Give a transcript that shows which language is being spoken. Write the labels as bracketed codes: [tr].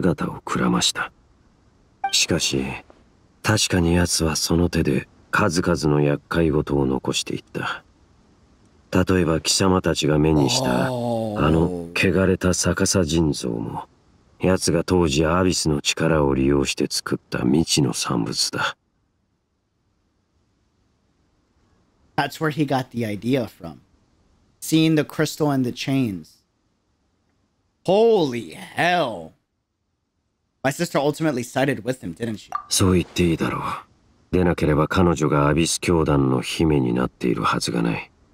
[ja] やつはアビス教団を創立した後、アビスへの信仰から様々なことを成した。だが、不死の呪いは最後までやつの肉体と精神を蝕んだ。やつの信仰するアビスが救済を与えることもなかった。そして100年後、やつは完全に正気を失うと姿をくらました。しかし、 確かにやつはその手で数々の厄介事を残していった。例えば貴様たちが目にしたあの汚れた逆さ人像も、やつが当時アビスの力を利用して作った未知の産物だ。 [en] That's where he got the idea from. Seeing the crystal and the chains. Holy hell. My sister ultimately sided with him, didn't she? [ja] そう言っていいだろう。でなければ彼女がアビス教団の姫になっているはずがない。